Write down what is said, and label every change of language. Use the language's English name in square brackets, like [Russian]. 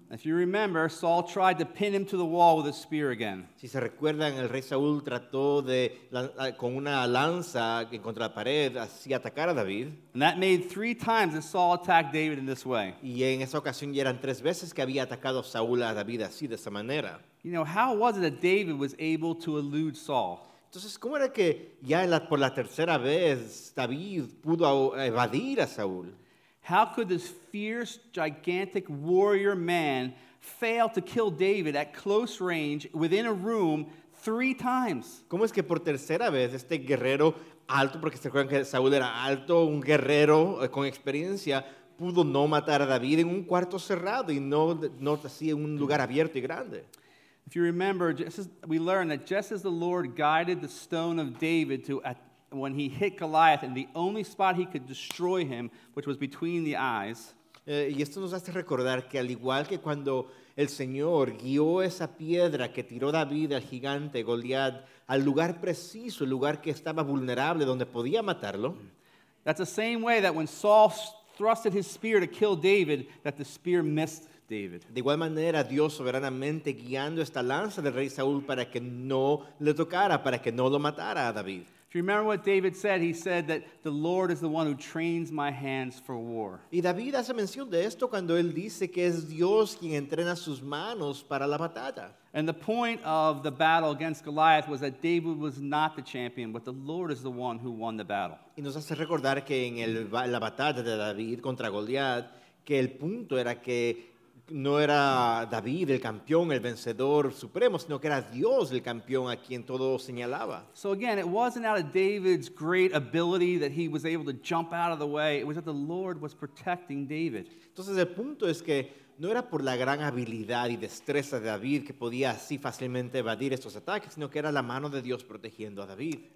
[English] if you remember, Saul tried to pin him to the wall with a spear again. [Spanish] Si se recuerdan, el rey Saúl trató de, con una lanza en contra la pared, así atacar a David. [English] And that made three times that Saul attacked David in this way. [Spanish] Y en esa ocasión ya eran tres veces que había atacado Saúl a David así, de esa manera. [English] You know, how was it that David was able to elude Saul? [Spanish] Entonces, ¿cómo era que ya por la tercera vez David pudo evadir a Saúl? [English] How could this fierce, gigantic warrior man fail to kill David at close range within a room three times? [Spanish] ¿Cómo es que por tercera vez este guerrero alto, porque se acuerdan que Saúl era alto, un guerrero con experiencia, pudo no matar a David en un cuarto cerrado y no así en un lugar abierto y grande? [English] If you remember, we learned that just as the Lord guided the stone of David when he hit Goliath in the only spot he could destroy him, which was between the eyes. [Spanish] Y esto nos hace recordar que al igual que cuando el Señor guió esa piedra que tiró David al gigante Goliath al lugar preciso, el lugar que estaba vulnerable, donde podía matarlo. [English] That's the same way that when Saul thrusted his spear to kill David, that the spear missed David. [Spanish] De igual manera, Dios soberanamente guiando esta lanza del rey Saúl para que no le tocara, para que no lo matara a David. [English] If you remember what David said, he said that the Lord is the one who trains my hands for war. [Spanish] Y David hace mención de esto cuando él dice que es Dios quien entrena sus manos para la batalla. [English] And the point of the battle against Goliath was that David was not the champion, but the Lord is the one who won the battle. [Spanish] Y nos hace recordar que en la batalla de David contra Goliath, que el punto era que no era David el campeón, el vencedor supremo, sino que era Dios el campeón a quien todo señalaba. [English] So again, it wasn't out of David's great ability that he was able to jump out of the way. It was that the Lord was protecting David. [Spanish] Entonces el punto es que no era por la gran habilidad y destreza de David que podía así fácilmente evadir estos ataques, sino que era la mano de Dios protegiendo a David.